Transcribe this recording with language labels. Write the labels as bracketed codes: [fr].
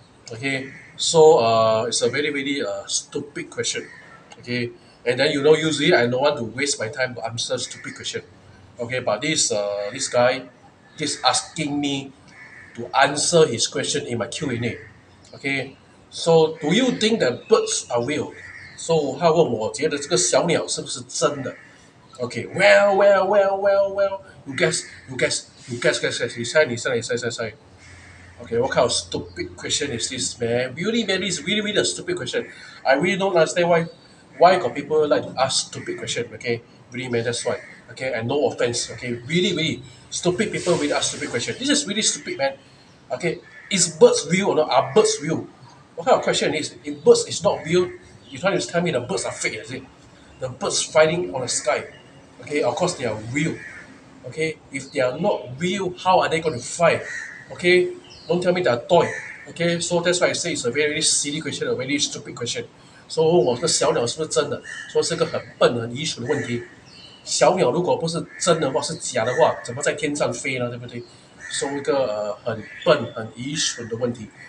[en] Okay, so it's a very, very stupid question. Okay, and then you know, usually I don't want to waste my time to answer stupid question. Okay, but this guy is asking me to answer his question in my Q&A. Okay, so do you think that birds are real? [zh] So 他问我觉得这个小鸟是不是真的? [en] Okay, well, you guess. You say. Okay, what kind of stupid question is this, man? Really, man, it's really, really a stupid question. I really don't understand why got people like to ask stupid question. Okay, really, man, that's why. Okay, and no offense. Okay, really, really stupid people really ask stupid question. This is really stupid, man. Okay, is birds real or not? Are birds real? What kind of question is if birds is not real? You trying to tell me the birds are fake, is it? The birds flying on the sky. Okay, of course they are real. Okay, if they are not real, how are they going to fly? Okay, don't tell me they are toy. Okay, so that's why I say it's a very, very silly question, a very stupid question. [zh] So, 我的小鸟是不是真的?说是个很笨很愚蠢的问题。小鸟如果不是真的话是假的话, 怎么在天上飞呢?对不对? 说一个, 很笨很愚蠢的问题。